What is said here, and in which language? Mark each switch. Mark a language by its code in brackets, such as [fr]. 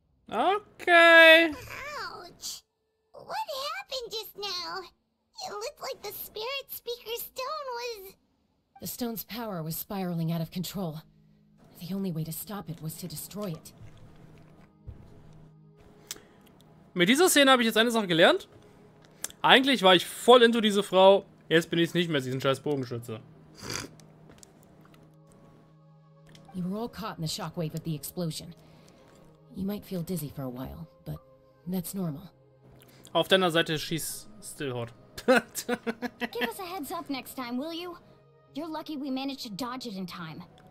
[en] Okay. Ouch! What happened just now? It looked like the spirit speaker stone was... The stone's power was spiraling out of control. The only way to stop it was to destroy it. [de] Mit dieser Szene habe ich jetzt eine Sache gelernt. Eigentlich war ich voll into diese Frau. Jetzt bin ich es nicht mehr, diesen scheiß Bogenschütze. [en] You were all caught in the shockwave of the explosion. You might feel dizzy for a while, but that's normal. [de] Auf deiner Seite schießt Stillhort. [en] Give us a heads up next time, will you? You're lucky we managed to dodge it in time.